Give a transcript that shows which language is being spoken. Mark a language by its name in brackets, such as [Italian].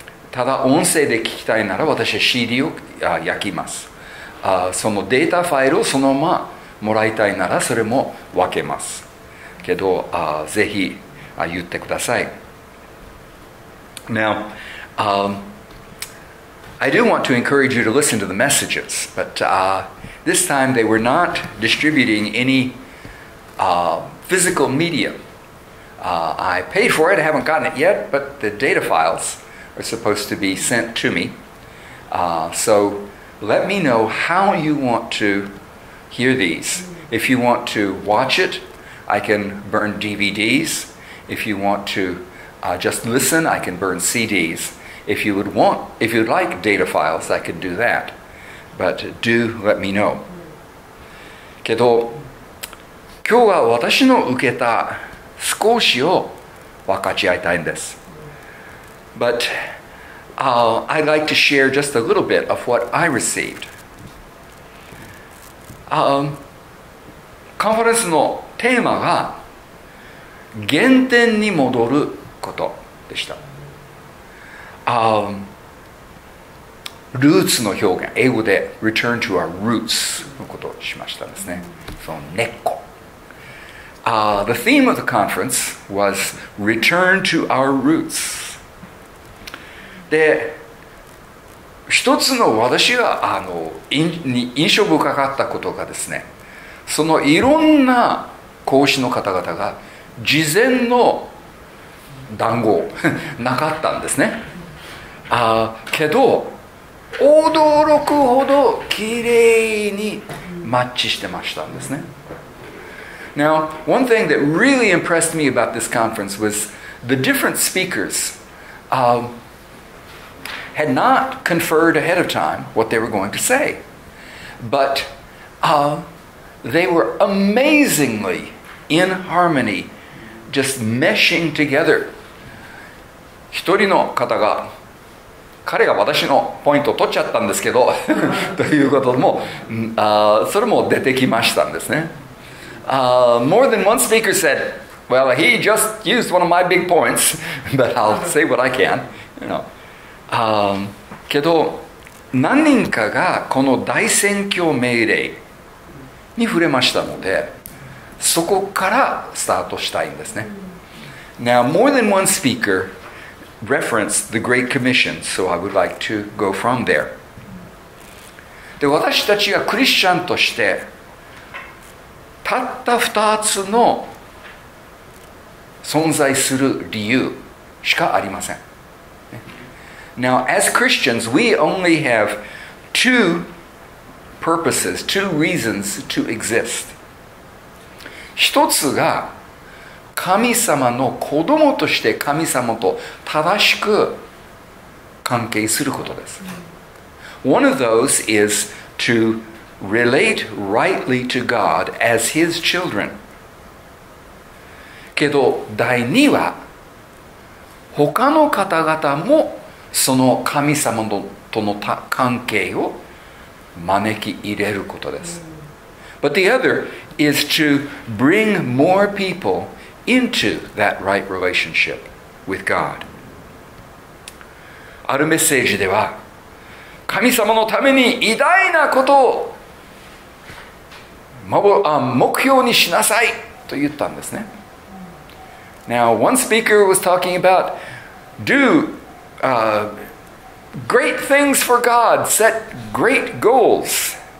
[Japanese] ただ音声で聞きたいなら私は CD を焼きます。そのデータファイルをそのままもらいたいならそれも分けますけど、ぜひ言ってください。 [English] Now、I do want to encourage you to listen to the messages, but、this time they were not distributing any、physical media.、I paid for it, I haven't gotten it yet, but the data files are supposed to be sent to me.、so let me know how you want to hear these. If you want to watch it, I can burn DVDs. If you want to、just listen, I can burn CDs. If you would want, if you'd like data files, I could do that. But do let me know. [Japanese] けど、今日は私の受けた少しを分かち合いたいんです。 [English] But、I'd like to share just a little bit of what I received.、 [Japanese] カンファレンスのテーマが原点に戻ることでした。ルーツの表現、英語で [English] return to our roots [Japanese] のことをしましたですね。その根っこ。 [English] The theme of the conference was return to our roots. [Japanese] で、一つの私が印象深かったことがですね、そのいろんな講師の方々が事前の談合なかったんですね。けど驚くほど綺麗にマッチしてましたんですね。 [English] Now, one thing that really impressed me about this conference was the different speakers、had not conferred ahead of time what they were going to say, but、they were amazingly in harmony, just meshing together. [Japanese] 一人の方が彼が私のポイントを取っちゃったんですけどということも、それも出てきましたんですね。 [English] More than one speaker said, well, he just used one of my big points, but I'll say what I can. You know. [Japanese] けど、何人かがこの大宣教命令に触れましたので、そこからスタートしたいんですね。 [English] Now, more than one speakerreference the Great Commission, so I would like to go from there. [Japanese] で、私たちがクリスチャンとして、たった二つの存在する理由しかありません。 [English] Now, as Christians, we only have two purposes, two reasons to exist. [Japanese] 一つが神様の子供として神様と正しく関係することです。 [English] One of those is to relate rightly to God as His children. [Japanese] けど第二は他の方々もその神様との関係を招き入れることです。 [English] But the other is to bring more peopleinto that right relationship with God. [Japanese] あるメッセージでは、神様のために偉大なことを目標にしなさいと言ったんですね。 [English] Now, one speaker was talking about do、great things for God, set great goals.